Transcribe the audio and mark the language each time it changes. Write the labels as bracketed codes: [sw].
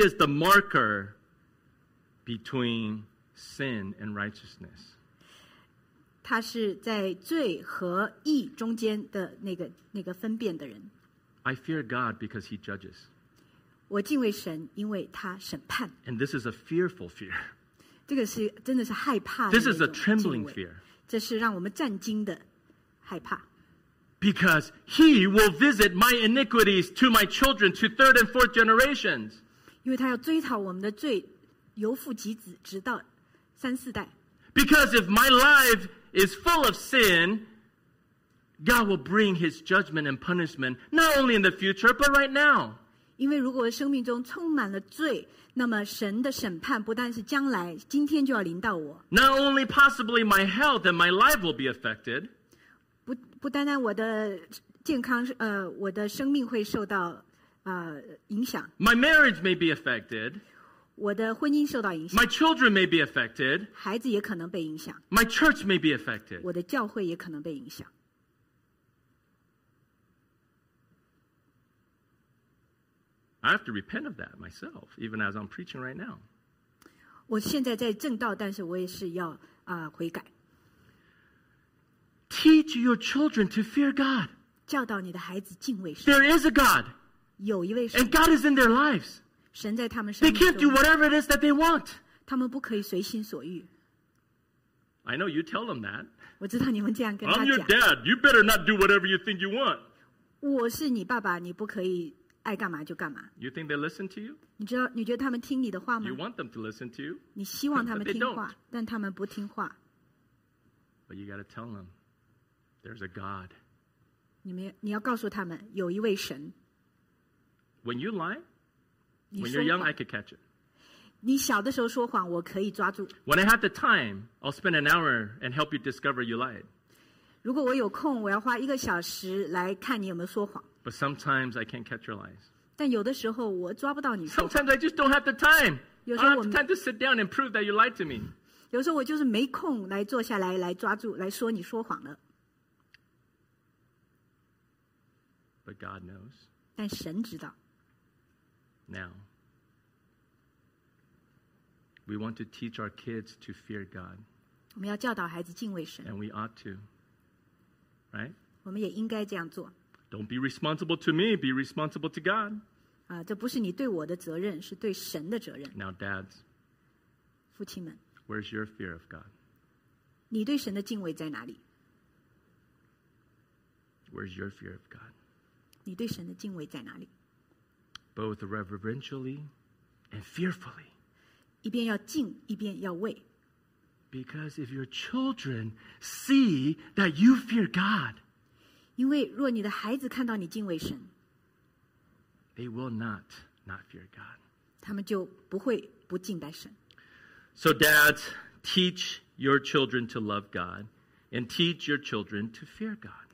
[en] is the marker between sin and righteousness. [zh] 他是在罪和义中间的那个分辨的人。 [en] I fear God because he judges. [zh] 我敬畏神，因为他审判。 [en] And this is a fearful fear. [zh] 这个是真的是害怕的。 [en] This is a trembling fear. [zh] 这是让我们战惊的害怕。 [en] Because he will visit my iniquities to my children to third and fourth generations. [zh] 因为他要追讨我们的罪，由父及子，直到三四代。 [en] Because if my life is full of sin, God will bring his judgment and punishment not only in the future, but right now. [zh] 因为如果生命中充满了罪，那么神的审判不但是将来，今天就要临到我。 [en] Not only possibly my health and my life will be affected, [zh] 不单单我的健康，我的生命会受到影响。 [en] My marriage may be affected. [zh] 我的婚姻受到影响。 [en] My children may be affected. [zh] 孩子也可能被影响。 [en] My church may be affected. [zh] 我的教会也可能被影响。 [en] I have to repent of that myself, even as I'm preaching right now. [zh] 我现在在正道，但是我也是要悔改。 [en] Teach your children to fear God. [zh] 教导你的孩子敬畏神。 [en] There is a God. [zh] 有一位神。 [en] And God is in their lives. [zh] 神在他们生命中。 [en] They can't do whatever it is that they want. [zh] 他们不可以随心所欲。 [en] I know you tell them that. [zh] 我知道你们这样跟他讲。 [en] I'm your dad. You better not do whatever you think you want. [zh] 我是你爸爸，你不可以爱干嘛就干嘛。 [en] You think they listen to you? [zh] 你知道你觉得他们听你的话吗？ [en] You want them to listen to you? [zh] 你希望他们听话，但他们不听话。 [en] But you got to tell them. There's a God. [zh] 你要告诉他们有一位神。 [en] When you lie, when you're young, I could catch it. [zh] 你小的时候说谎，我可以抓住。 [en] When I have the time, I'll spend an hour and help you discover you lied. [zh] 如果我有空，我要花一个小时来看你有没有说谎。 [en] But sometimes I can't catch your lies. [zh] 但有的时候我抓不到你说谎。 [en] Sometimes I just don't have the time. I don't have the time to sit down and prove that you lied to me. [zh] 有时候我就是没空来坐下来来抓住来说你说谎了。 [en] But God knows. [zh] 但神知道。 [en] Now, we want to teach our kids to fear God. [zh] 我们要教导孩子敬畏神。 [en] And we ought to. Right? [zh] 我们也应该这样做。 [en] Don't be responsible to me, be responsible to God. [zh] 这不是你对我的责任，是对神的责任。 [en] Now, dads. [zh] 父亲们。 [en] Where's your fear of God? [zh] 你对神的敬畏在哪里？ [en] Where's your fear of God? [zh] 你对神的敬畏在哪里？ [en] Both reverentially and fearfully. [zh] 一边要敬，一边要畏。 [en] Because if your children see that you fear God, [zh] 因为若你的孩子看到你敬畏神， [en] they will not not fear God. [zh] 他们就不会不敬拜神。 [en] So dads, teach your children to love God and teach your children to fear God.